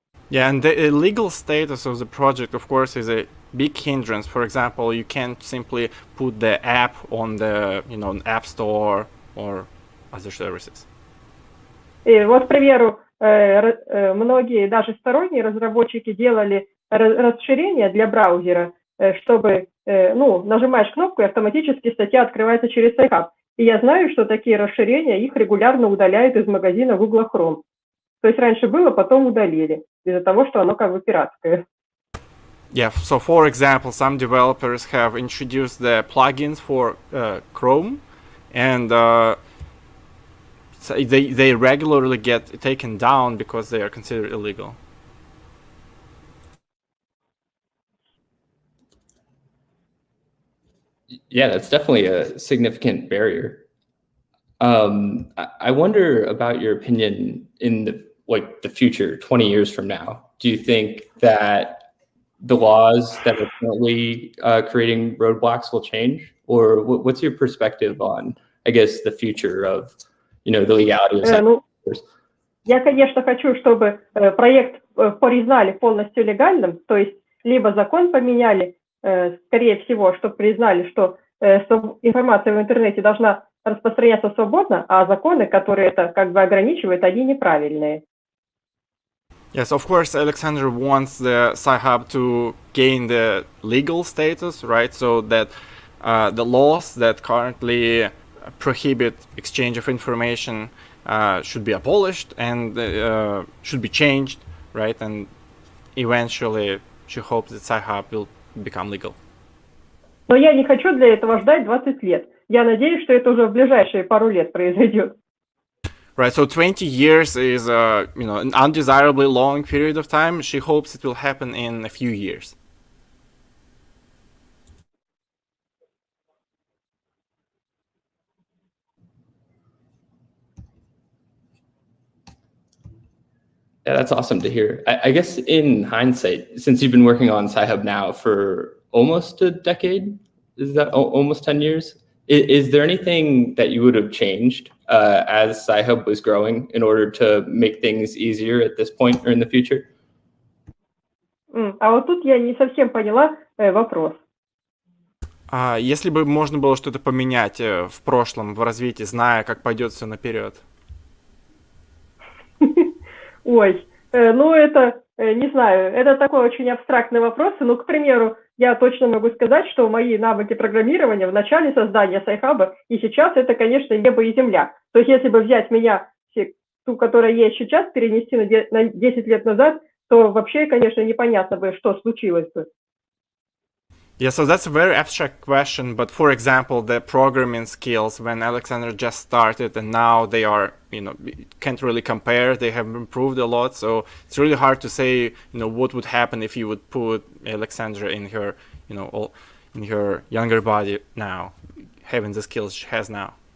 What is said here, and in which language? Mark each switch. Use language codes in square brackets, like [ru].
[en] Yeah, and the illegal status of the project, of course, is a big hindrance. For example, you can't simply put the app on the, you know, App Store or other services. [ru] И вот, к примеру, многие даже сторонние разработчики делали расширение для браузера, чтобы, ну, нажимаешь кнопку, и автоматически статья открывается через Sci-Hub. И я знаю, что такие расширения их регулярно удаляют из магазина Google Chrome. То есть раньше было, потом удалили из-за того, что оно как бы пиратское. [en] Yeah, so for example, some developers have introduced the plugins for Chrome, and they regularly get taken down because they are considered illegal. Yeah, that's definitely a significant barrier. I wonder about your opinion in the future, 20 years from now. Do you think that the laws that are currently creating roadblocks will change? Or what's your perspective on, I guess, the future of, you know, the legality of Sci-Hub? [ru] Я, конечно, хочу, чтобы проект признали полностью легальным, то есть либо закон поменяли, скорее всего, чтобы признали, что информация в интернете должна распространяться свободно, а законы, которые это как бы ограничивают, они неправильные. [en] Yes, of course, Alexander wants the Sci-Hub to gain the legal status, right? So that the laws that currently prohibit exchange of information should be abolished and should be changed, right? And eventually, she hopes that Sci-Hub will become legal. [ru] Но я не хочу для этого ждать 20 лет. Я надеюсь, что это уже в ближайшие пару лет произойдет. [en] Right, so 20 years is, you know, an undesirably long period of time. She hopes it will happen in a few years. Yeah, that's awesome to hear. I guess in hindsight, since you've been working on Sci-Hub now for almost a decade, is that almost 10 years? Is there anything that you would have changed as Sci-Hub was growing in order to make things easier at this point or in the future? [ru] А вот тут я не совсем поняла вопрос. Если бы можно было что-то поменять в прошлом, в развитии, зная, как пойдет все наперед. Ой, ну это, не знаю, это такой очень абстрактный вопрос. Ну, к примеру, я точно могу сказать, что мои навыки программирования в начале создания Sci-Hub и сейчас это, конечно, небо и земля. То есть если бы взять меня, ту, которая есть сейчас, перенести на 10 лет назад, то вообще, конечно, непонятно бы, что случилось бы. [en] Yeah, so that's a very abstract question, but for example, the programming skills when Alexandra just started and now they are, you know, can't really compare, they have improved a lot, so it's really hard to say, you know, what would happen if you would put Alexandra in her, you know, all, in her younger body now, having the skills she has now.